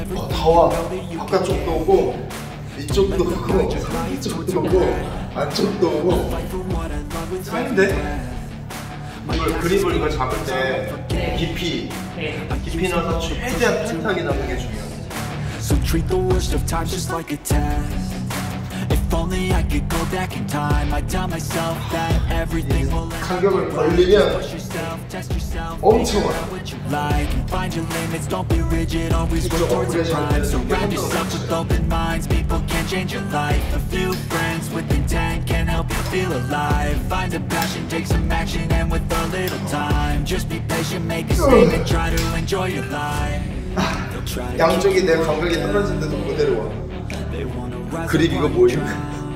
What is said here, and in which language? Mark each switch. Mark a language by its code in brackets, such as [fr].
[ko] 파워 바깥쪽도 오고 이쪽도 오고 이쪽도 오고 안쪽도 오고 짱인데? 이걸 그립을 이걸 잡을 때 깊이 깊이 넣어서 최대한 탄탄하게 넣는 게 중요해요. [en] So treat the worst of times just like a test. If only I could go back in time, I'd tell myself that everything will end. [ko] 간격을 벌리면 엄청 와. 이쪽으로 [en] find your limits, don't be rigid, always work towards your prime. Surround yourself with open minds, people can change your life. A few friends with intent can help you feel alive. Find a passion, take some action, and with a little time, just be patient, make a statement, try to enjoy your life. [ko] 양쪽이 내 간격이 떨어진데도 그대로 와. 그립 이거 뭐야